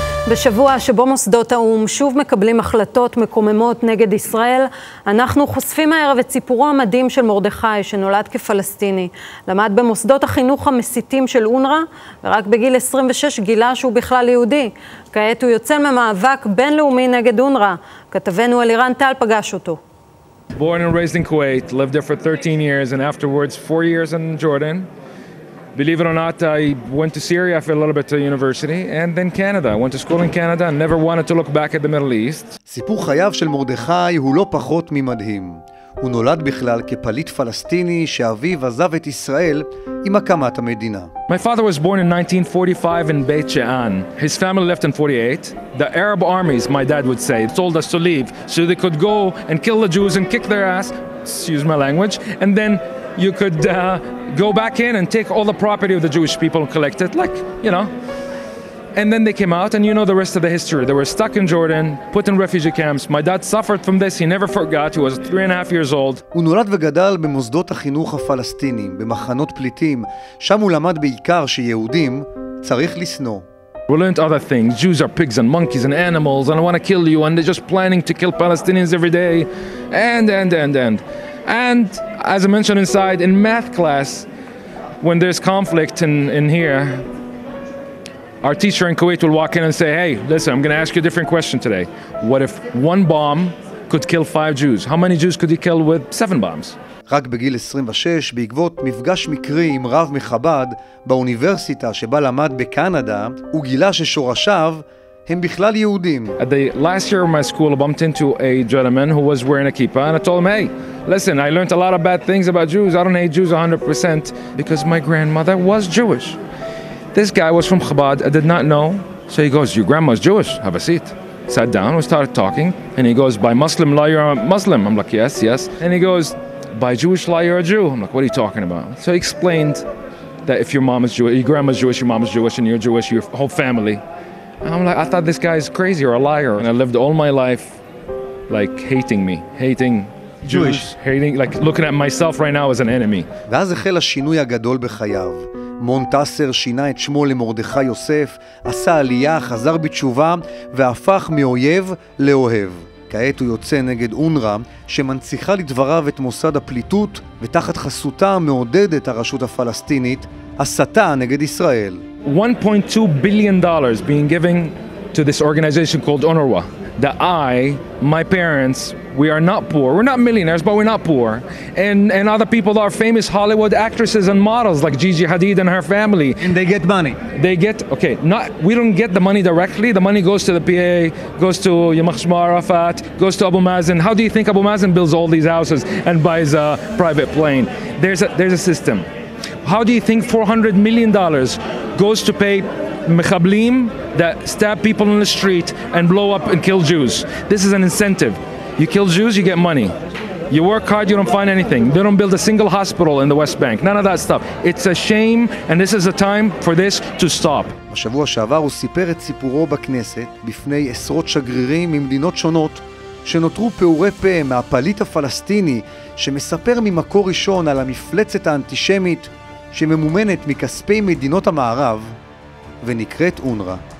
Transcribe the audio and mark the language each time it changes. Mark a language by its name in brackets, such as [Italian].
[Hebrew] בשבוע שבו מוסדות האום שוב מקבלים החלטות מקוממות נגד ישראל, אנחנו חושפים הערב את סיפורו המדהים של מרדכי, שנולד כפלסטיני. למד במוסדות החינוך המסיתים של אונרה, ורק בגיל 26 גילה שהוא בכלל יהודי. כעת הוא יוצא ממאבק בינלאומי נגד אונרה. כתבנו אלירן טל פגש אותו. [English] Born and raised in Kuwait, lived there for 13 years and afterwards 4 years in Jordan. Believe it or not, I went to Syria for a little bit to university and then Canada. I went to school in Canada and never wanted to look back at the Middle East. [Hebrew] סיפור חייו של מרדכי הוא לא פחות ממדהים. הוא נולד בכלל כפליט פלסטיני שאביו עזב את ישראל עם הקמת המדינה. [English] My father was born in 1945 in Beit She'an. His family left in 48. The Arab armies, my dad would say, told us to leave so they could go and kill the Jews and kick their ass, excuse my language, and then you could go back in and take all the property of the Jewish people and collect it, like, you know. And then they came out, and you know the rest of the history. They were stuck in Jordan, put in refugee camps. My dad suffered from this, he never forgot. He was 3.5 years old. [Hebrew] הוא נולד וגדל במוסדות החינוך הפלסטינים, במחנות פליטים. שם הוא למד בעיקר שיהודים צריך לשנוא. [English] We learned other things. Jews are pigs and monkeys and animals, and I want to kill you, and they're just planning to kill Palestinians every day. And as I mentioned inside, in math class, when there's conflict in here, our teacher in Kuwait will walk in and say, hey, listen, I'm going to ask you a different question today. What if one bomb could kill 5 Jews? How many Jews could you kill with 7 bombs? [Hebrew] רק בגיל 26, בעקבות מפגש מקרי עם רב מחבד באוניברסיטה שבה למד בקנדה, הוא גילה ששורשיו הם בכלל יהודים. [English] At the last year of my school, I bumped into a gentleman who was wearing a kippah, and I told him, hey, listen, I learned a lot of bad things about Jews. I don't hate Jews 100% because my grandmother was Jewish. This guy was from Chabad, I did not know. So he goes, your grandma's Jewish, have a seat. Sat down, we started talking, and he goes, by Muslim law, you're a Muslim. I'm like, yes, yes. And he goes, by Jewish law, you're a Jew. I'm like, what are you talking about? So he explained that if your mom is Jewish, your grandma's Jewish, your mom's Jewish, and you're Jewish, your whole family. And I'm like, I thought this guy is crazy or a liar. And I lived all my life, like, hating me, hating Jewish. Hating, like, looking at myself right now as an enemy. [Hebrew] ואז החל השינוי הגדול בחייו. מונטסר שינה את שמו למרדכי יוסף, עשה עלייה, חזר בתשובה והפך מאויב לאוהב. כעת הוא יוצא נגד אונרה שמנציחה לדבריו את מוסד הפליטות ותחת חסותה מעודדת הרשות הפלסטינית הסתה נגד ישראל. [English] $1.2 billion being given to this organization called UNRWA. That I, my parents, we are not poor. We're not millionaires, but we're not poor. And other people are famous Hollywood actresses and models like Gigi Hadid and her family. And they get money. They get, okay, not, we don't get the money directly. The money goes to the PA, goes to Yamach Shmuel Arafat, goes to Abu Mazen. How do you think Abu Mazen builds all these houses and buys a private plane? There's a system. How do you think $400 million goes to pay מחבלים that stab people in the street and blow up and kill Jews? This is an incentive. You kill Jews, you get money. You work hard, you don't find anything. They don't build a single hospital in the West Bank. None of that stuff. It's a shame, and this is a time for this to stop. [Hebrew] בשבוע שעבר הוא סיפר את סיפורו בכנסת בפני עשרות שגרירים ממדינות שונות שנותרו פעורי פה מהפליט הפלסטיני שמספר ממקור ראשון על המפלצת האנטישמית שממומנת מכספי מדינות המערב ונקראת אונרה.